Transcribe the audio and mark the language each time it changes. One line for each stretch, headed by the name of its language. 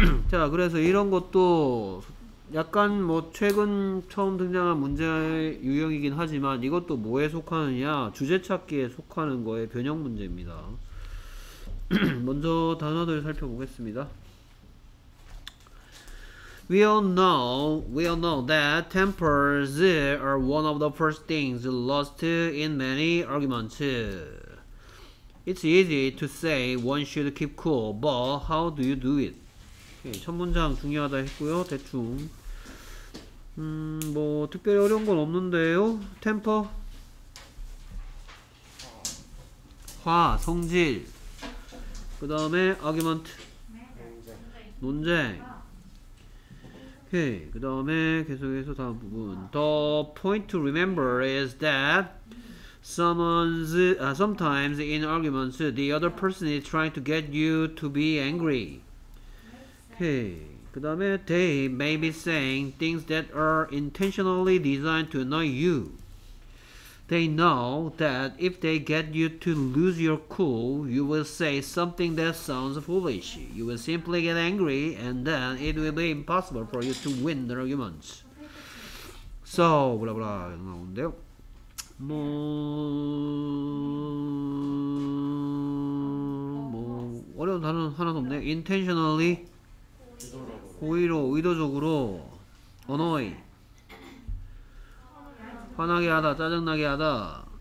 Korean: 자, 그래서 이런 것도 약간 뭐 최근 처음 등장한 문제의 유형이긴 하지만 이것도 뭐에 속하느냐? 주제찾기에 속하는 거의 변형 문제입니다. 먼저 단어들 살펴보겠습니다.
English: We all know that tempers are one of the first things lost in many arguments. It's easy to say one should keep cool, but how do you do it?
Korean: 첫 문장 중요하다 했고요. 대충 뭐 특별히 어려운 건 없는데요. 템퍼, 화, 성질, 그 다음에 argument, 논쟁. 오케이. 그 다음에 계속해서 다음 부분.
English: The point to remember is that sometimes in arguments the other person is trying to get you to be angry.
Korean: 그 다음에
English: they may be saying things that are intentionally designed to annoy you. They know that if they get you to lose your cool, you will say something that sounds foolish. You will simply get angry and then it will be impossible for you to win the arguments. So, blah blah,
Korean: 나오는데요. 뭐 어려운 단어 하나도 없네. Intentionally, 고의로, 의도적으로, annoy, 화나게 하다, 짜증나게 하다.